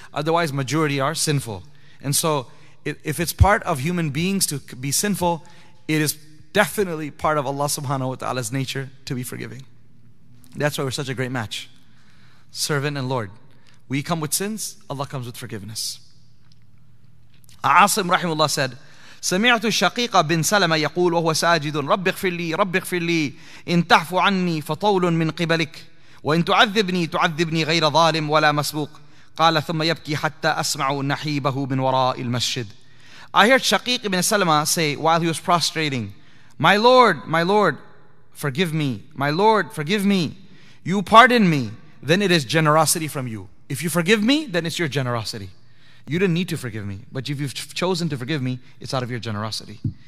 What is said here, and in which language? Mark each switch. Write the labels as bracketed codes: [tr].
[en] Otherwise, majority are sinful. And so, if it's part of human beings to be sinful, it is definitely part of Allah subhanahu wa ta'ala's nature to be forgiving. That's why we're such a great match. Servant and Lord. We come with sins, Allah comes with forgiveness. Asim rahimullah said, [ar] سمعت شقيق بن سلمة يقول وهو ساجد رب اغفر لي رب اغفر لي إن تعفو عني فطول من قبلك وإن تعذبني تعذبني غير ظالم ولا مسبوق. قال ثم يبكي حتى أسمع نحيبه من وراء المسجد. [en] I heard Shaqiq ibn Salama say while he was prostrating, my Lord, forgive me. My Lord, forgive me. You pardon me, then it is generosity from you. If you forgive me, then it's your generosity. You didn't need to forgive me, but if you've chosen to forgive me, it's out of your generosity.